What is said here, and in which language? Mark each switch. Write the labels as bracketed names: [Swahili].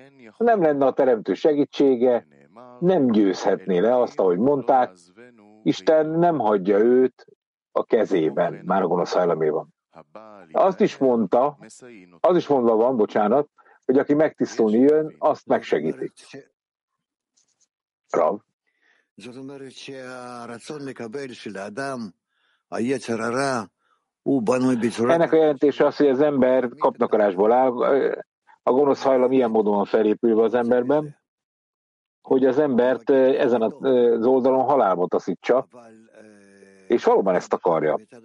[Hungarian] Ha nem lenne a teremtő segítsége, nem győzhetné le azt, ahogy mondták, Isten nem hagyja őt a kezében, már a gonosz hajlaméban. Azt is mondta, az is mondva van, bocsánat, hogy aki megtisztulni jön, azt megsegítik. Rav. [Hebrew] זאת אומרת שהרצון לקבל של האדם, היצר הרע, הוא בנוי בצורה... [Hungarian] Ennek a jelentése az, hogy az ember kapnakarásból áll, a gonosz hajlam ilyen módon felépülve az emberben, hogy az embert ezen az oldalon halálba taszítsa, és valóban ezt akarja.